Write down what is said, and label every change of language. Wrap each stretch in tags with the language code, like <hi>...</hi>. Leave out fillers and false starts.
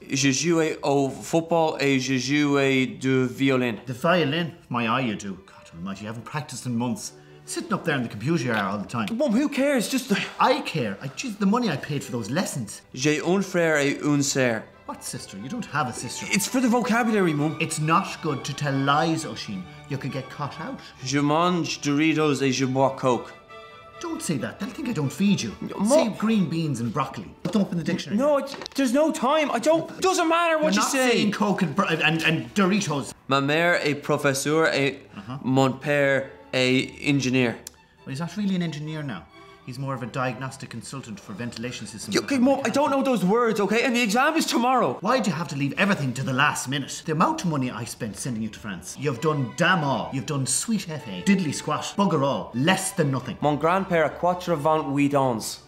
<fr>Je joue au football et je joue du violin.</fr> <en>The violin? My eye, you do. God almighty, you haven't practiced in months. Sitting up there in the computer here all the time. Mum, who cares? Just the... I care. Jeez, the money I paid for those lessons.</en> <fr>J'ai un frère et une sœur.</fr> <en>What sister? You don't have a sister. It's for the vocabulary, Mum. It's not good to tell lies, Oisin. You could get caught out.</en> <fr>Je mange Doritos et je bois Coke.</fr> <en>Don't say that. They'll think I don't feed you. Say green beans and broccoli. But don't open the dictionary. No, there's no time. I don't... doesn't matter what you're say. You're not saying Coke and Doritos.</en> <fr>Ma mère est professeur et mon père est engineer.</fr> <en>Well, he's not really an engineer now. He's more of a diagnostic consultant for ventilation systems. Okay, Mum, I don't know those words, okay? And the exam is tomorrow. Why do you have to leave everything to the last minute? The amount of money I spent sending you to France. You've done damn all. You've done sweet FA, diddly squat, bugger all, less than nothing.</en> <fr>Mon grandpère a quatre vingt huit ans.</fr>